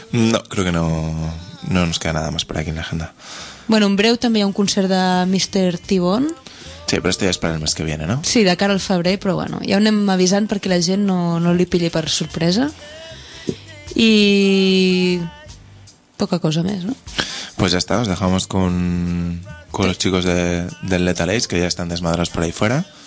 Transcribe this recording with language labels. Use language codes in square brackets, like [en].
[es] no creo que no nos queda nada más por aquí en la agenda. [ca] Bueno, en breu també hi ha un concert de Mr. Tibón. Sí, però estic esperant el mes [es] que viene, [ca] no? Sí, de cara al febrer, però bueno, ja ho anem avisant perquè la gent no li pilli per sorpresa. I poca cosa més, no? [es] Pues ya está, os dejamos con los chicos del Lethal Age, que [ca] ja estan desmadrats [es] por ahí fuera.